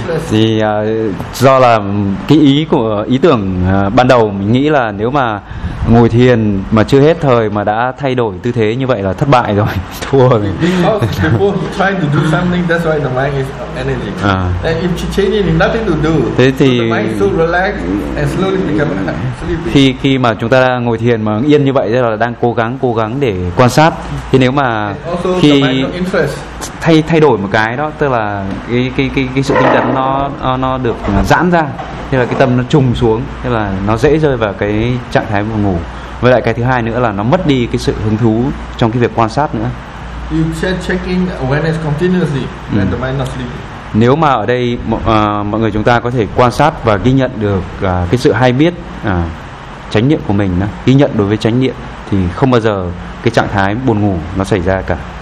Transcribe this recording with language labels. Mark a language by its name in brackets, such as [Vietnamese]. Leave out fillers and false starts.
[Vietnamese] Thì do là cái ý của ý tưởng ban đầu mình nghĩ là nếu mà ngồi thiền mà chưa hết thời mà đã thay đổi tư thế như vậy là thất bại rồi, thua rồi. [English] Before trying to do something, that's why the mind is energy. And if you change it, nothing to do. [Vietnamese] Thế thì [English] so the mind is so relaxed and slowly become sleepy. [Vietnamese] Khi mà chúng ta ngồi thiền mà yên như vậy là đang cố gắng để quan sát. Thì nếu mà khi thay đổi một cái đó, tức là cái sự tinh tấn nó được giãn ra, thế là cái tâm nó trùng xuống, thế là nó dễ rơi vào cái trạng thái ngủ. Với lại cái thứ hai nữa là nó mất đi cái sự hứng thú trong cái việc quan sát nữa. [English] You said checking awareness continuously, and the mind not sleeping. [Vietnamese] Nếu mà ở đây mọi người chúng ta có thể quan sát và ghi nhận được cái sự hay biết chánh niệm của mình đó, ghi nhận đối với chánh niệm thì không bao giờ cái trạng thái buồn ngủ nó xảy ra cả.